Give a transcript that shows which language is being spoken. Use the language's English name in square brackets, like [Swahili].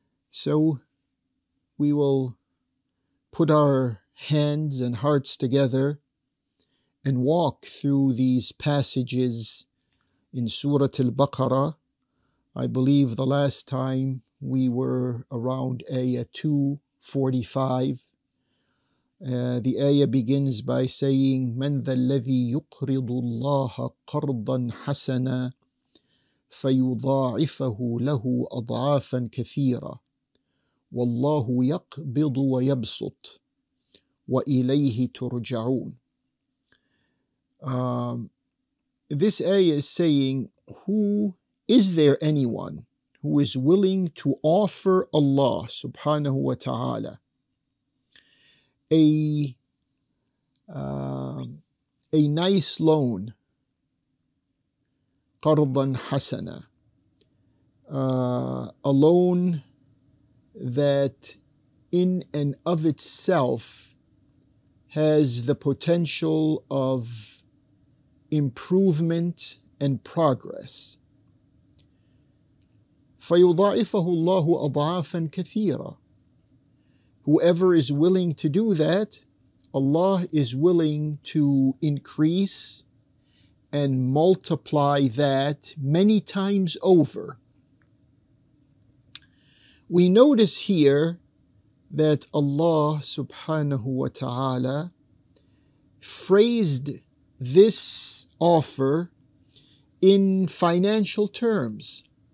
[English] So we will put our hands and hearts together and walk through these passages in Surah Al-Baqarah. I believe the last time we were around ayah 245. The ayah begins by saying, [Arabic] مَنْ ذَا الَّذِي يُقْرِضُ اللَّهَ قَرْضًا حَسَنًا فَيُضَاعِفَهُ لَهُ أَضْعَافًا كَثِيرًا وَاللَّهُ يَقْبِضُ وَيَبْسُطْ وَإِلَيْهِ تُرْجَعُونَ. [English] This ayah is saying, who is there anyone who is willing to offer Allah subhanahu wa ta'ala a nice loan, qardan hasana, a loan that in and of itself has the potential of improvement and progress. [Arabic] فَيُضَاعِفَهُ اللَّهُ أَضْعَافًا كَثِيرًا. [English] Whoever is willing to do that, Allah is willing to increase and multiply that many times over. We notice here that Allah subhanahu wa ta'ala phrased this offer in financial terms,